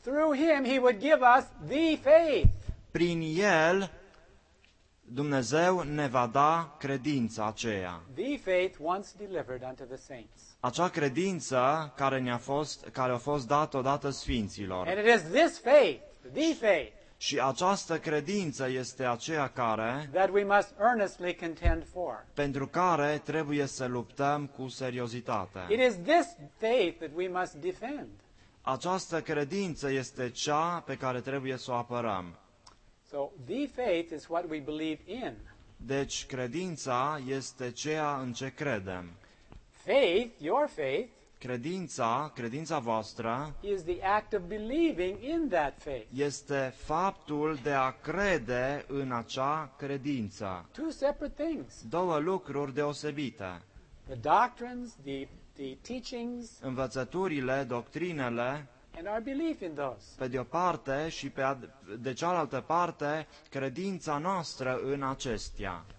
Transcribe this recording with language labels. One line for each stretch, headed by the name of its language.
English: Through him he would give us the faith.
Romanian: Prin el, Dumnezeu ne va da credința aceea.
English: The faith once delivered unto the saints.
Romanian: Acea credință care care a fost dată odată sfinților.
English: And it is this faith, the faith.
Romanian: Și această credință este aceea care
English: that we must earnestly contend for.
Romanian: Pentru care trebuie să luptăm cu seriozitate.
English: It is this faith that we must defend.
Romanian: Această credință este cea pe care trebuie să o apărăm.
English: So the faith is what we believe in.
Romanian: Deci credința este ceea în ce credem.
English: Faith, your faith.
Romanian: Credința voastră
English: is the act of believing in that faith.
Romanian: Este faptul de a crede în acea credință.
English: Two separate things.
Romanian: Două lucruri deosebite.
English: The doctrines, the teachings.
Romanian: Învățăturile, doctrinele.
English: And our belief in those.
Romanian: Pe de o parte și de cealaltă parte, credința noastră în acestea.